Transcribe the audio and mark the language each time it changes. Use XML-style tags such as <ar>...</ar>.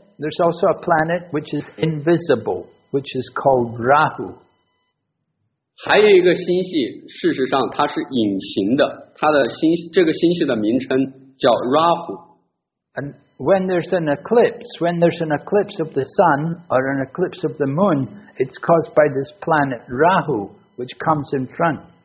<en>There's also a planet which is invisible, which is called Rahu.</en> <zh>还有一个星系，事实上它是隐形的，它的星这个星系的名称叫 Rahu.</zh> <en>And when there's an eclipse, when there's an eclipse of the sun or an eclipse of the moon, it's caused by this planet Rahu, which comes in front.</en>